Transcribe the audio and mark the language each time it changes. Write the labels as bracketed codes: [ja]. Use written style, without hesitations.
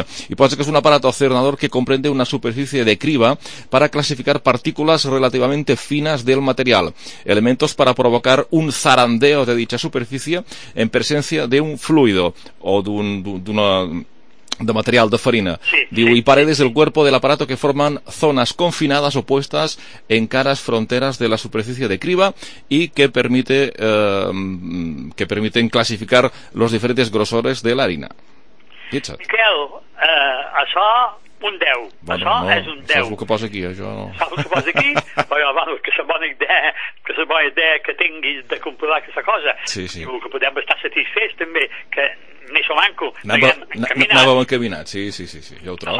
[ca] i posa que és un [es] aparato o cernador que comprende una superfície de criba para classificar partículas relativamente finas del material, elementos para provocar un zarandeo de dicha superficie en presencia de un fluido o [ca] d'una... de material de farina. Sí, diu, sí, [es] y paredes del cuerpo del aparato que forman zonas confinadas opuestas en caras fronteras de la superficie de criba y que permite que permiten clasificar los diferentes grosores de la harina. [ca] Fixa't. Miquel, això un 10. Bueno, això no, és un 10. Això és el que posa aquí, això. Això és el que posa aquí? Bueno, que és la bona idea que tinguis de comprovar aquesta cosa. Sí, sí. Diu, que podem estar satisfets també, que més o manco. Anàvem encaminat, sí, jo ho trobo.